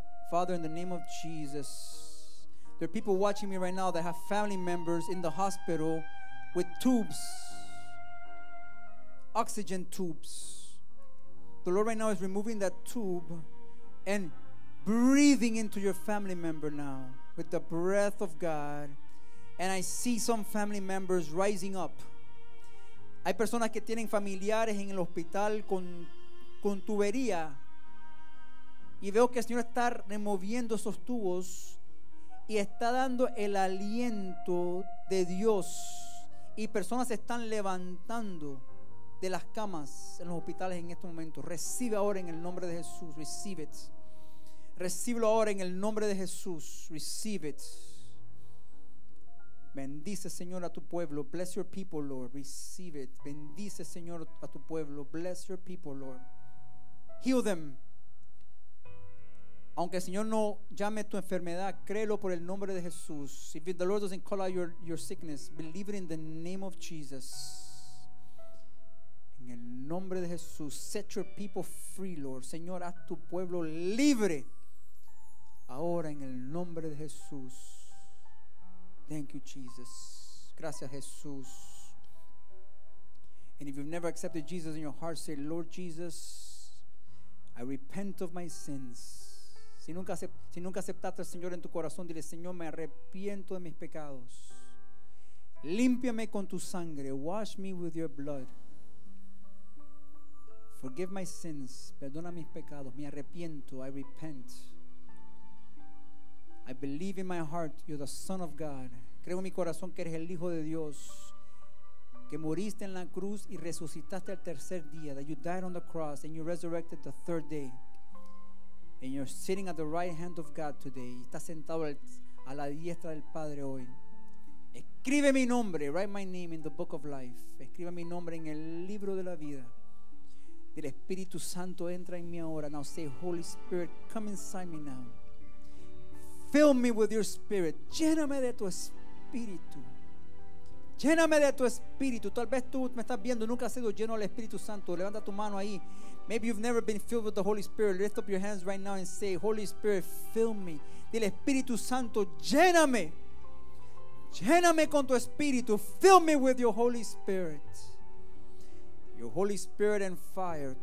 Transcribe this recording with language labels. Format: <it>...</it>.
<en>Father, in the name of Jesus. There are people watching me right now that have family members in the hospital with tubes, oxygen tubes. The Lord right now is removing that tube and breathing into your family member now with the breath of God. And I see some family members rising up.</en> <es>Hay personas que tienen familiares en el hospital con tubería. Y veo que el Señor está removiendo esos tubos. Y está dando el aliento de Dios. Y personas se están levantando de las camas en los hospitales en este momento. Recibe ahora en el nombre de Jesús.</es> <en>Receive it.</en> <es>Recíbelo ahora en el nombre de Jesús. Receive it. Bendice, Señor, a tu pueblo.</es> <en>Bless your people, Lord. Receive it.</en> <es>Bendice, Señor, a tu pueblo.</es> <en>Bless your people, Lord. Heal them.</en> <es>Aunque el Señor no llame tu enfermedad, créelo por el nombre de Jesús.</es> <en>If the Lord doesn't call out your sickness, believe it in the name of Jesus.</en> <es>En el nombre de Jesús,</es> <en>set your people free, Lord.</en> <es>Señor, haz tu pueblo libre. Ahora, en el nombre de Jesús.</es> <en>Thank you, Jesus.</en> <es>Gracias, Jesús.</es> <en>And if you've never accepted Jesus in your heart, say, Lord Jesus, I repent of my sins.</en> <es>Si nunca aceptaste al Señor en tu corazón, dile, Señor, me arrepiento de mis pecados. Límpiame con tu sangre.</es> <en>Wash me with your blood. Forgive my sins.</en> <es>Perdona mis pecados. Me arrepiento.</es> <en>I repent. I believe in my heart you're the Son of God.</en> <es>Creo en mi corazón que eres el Hijo de Dios, que moriste en la cruz y resucitaste al tercer día.</es> <en>That you died on the cross and you resurrected the third day. And you're sitting at the right hand of God today.</en> <es>Estás sentado a la diestra del Padre hoy. Escribe mi nombre.</es> <en>Write my name in the book of life.</en> <es>Escribe mi nombre en el libro de la vida. Del Espíritu Santo, entra en mí ahora.</es> <en>Now say, Holy Spirit, come inside me now. Fill me with your spirit.</en> <es>Lléname de tu espíritu. Lléname de tu espíritu. Tal vez tú me estás viendo, nunca has sido lleno del Espíritu Santo. Levanta tu mano ahí.</es> <en>Maybe you've never been filled with the Holy Spirit. Lift up your hands right now and say, Holy Spirit, fill me.</en> <es>Dile, Espíritu Santo, lléname. Lléname con tu espíritu.</es> <en>Fill me with your Holy Spirit. Your Holy Spirit and fire.</en>